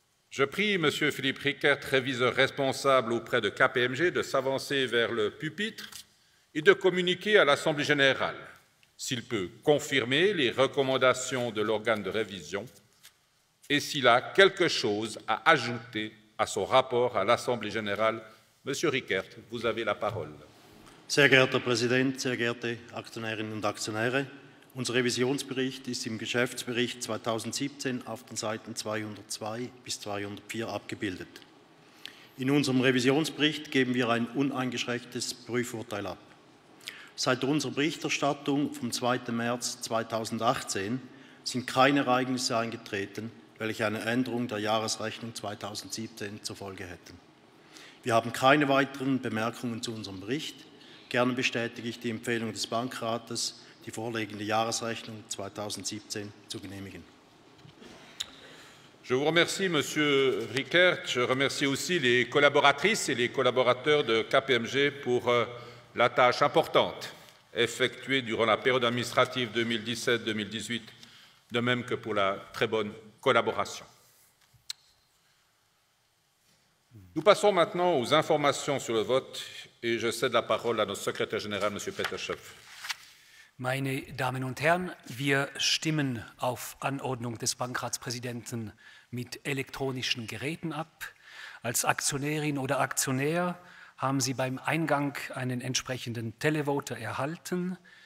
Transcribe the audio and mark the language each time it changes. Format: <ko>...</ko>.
<fr>Je prie M. Philippe Rickert, réviseur responsable auprès de KPMG, de s'avancer vers le pupitre et de communiquer à l'Assemblée générale s'il peut confirmer les recommandations de l'organe de révision et s'il a quelque chose à ajouter à son rapport à l'Assemblée générale. Monsieur Rickert, vous avez la parole.</fr> <de>Sehr geehrter Präsident, sehr geehrte Aktionärinnen und Aktionäre, unser Revisionsbericht ist im Geschäftsbericht 2017 auf den Seiten 202 bis 204 abgebildet. In unserem Revisionsbericht geben wir ein uneingeschränktes Prüfurteil ab. Seit unserer Berichterstattung vom 2. März 2018 sind keine Ereignisse eingetreten, welche eine Änderung der Jahresrechnung 2017 zur Folge hätten. Wir haben keine weiteren Bemerkungen zu unserem Bericht. Gerne bestätige ich die Empfehlung des Bankrates, die vorliegende Jahresrechnung 2017 zu genehmigen.</de> <fr>Je vous remercie, Monsieur Rickert. Je remercie aussi les collaboratrices et les collaborateurs de KPMG pour la tâche importante effectuée durant la période administrative 2017-2018, de même que pour la très bonne collaboration. Nous passons maintenant aux informations sur le vote et je cède la parole à notre secrétaire général, Monsieur Peter Schöpf.</fr> <de>Meine Damen und Herren, wir stimmen auf Anordnung des Bankratspräsidenten mit elektronischen Geräten ab. Als Aktionärin oder Aktionär haben Sie beim Eingang einen entsprechenden Televoter erhalten.</de>